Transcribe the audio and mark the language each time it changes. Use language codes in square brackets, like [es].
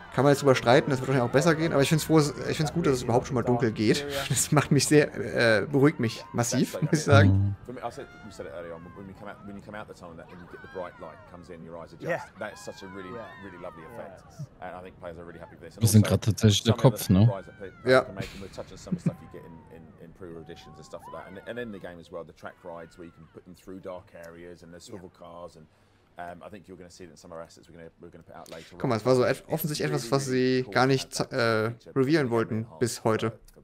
[de] Kann man jetzt überstreiten, das wird wahrscheinlich auch besser gehen, aber ich find's gut, dass es überhaupt schon mal dunkel geht. Das macht mich sehr, beruhigt mich massiv, muss ich sagen. [en] You said it earlier on, when you come out the tunnel and you get the bright light comes in, your eyes adjust. That is such a really, really lovely effect. And I think players are really happy with this. [de] Wir sind gerade tatsächlich der Kopf, ne? Ja. [en] We're touching some stuff you get in pre editions and stuff like that. And in the game as well, the track rides where you can put them through dark areas and the swivel cars and I think you're going to see it in some of our assets we're going to put out later. [de] Guck mal, es war so offensichtlich etwas, was sie gar nicht revealen wollten bis heute.